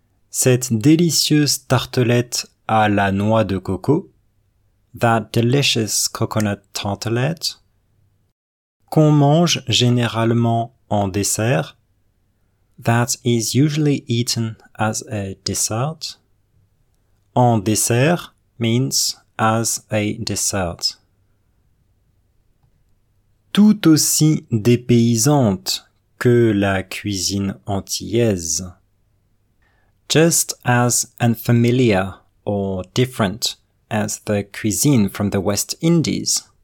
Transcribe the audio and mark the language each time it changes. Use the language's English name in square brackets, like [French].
[French] Cette délicieuse tartelette à la noix de coco, [English] that delicious coconut tartlette, [French] qu'on mange généralement en dessert, [English] that is usually eaten as a dessert. [French] En dessert [English] means as a dessert. [French] Tout aussi dépaysante que la cuisine antillaise. [English] Just as unfamiliar or different as the cuisine from the West Indies.